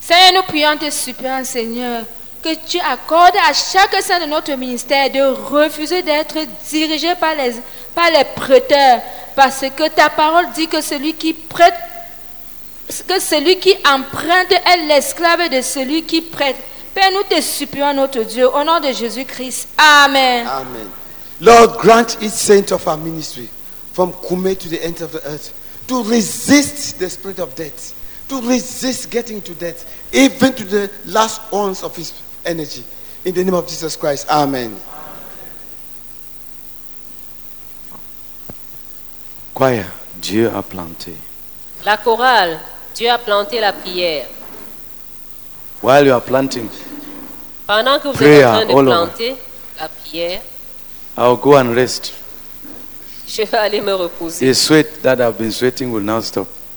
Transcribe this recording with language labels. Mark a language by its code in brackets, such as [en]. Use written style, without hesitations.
[fr] Seigneur, nous prions, te supplions, Seigneur, que tu accordes à chaque saint de notre ministère de refuser d'être dirigé par les prêteurs, parce que ta parole dit que celui qui prête, que celui qui emprunte est l'esclave de celui qui prête. Père, nous te supplions, notre Dieu, au nom de Jésus-Christ. Amen. Amen. [en] Lord, grant each saint of our ministry, from Kume to the end of the earth, to resist the spirit of death, to resist getting to death, even to the last ounce of his energy. In the name of Jesus Christ. Amen. Amen. [fr] Choir, Dieu a planté. La chorale, Dieu a planté la prière. [en] While you are planting, [fr] pendant que vous êtes en train de planter la prière, [en] I will go and rest. [fr] Je vais aller me reposer. [en] The sweat that I've been sweating will now stop.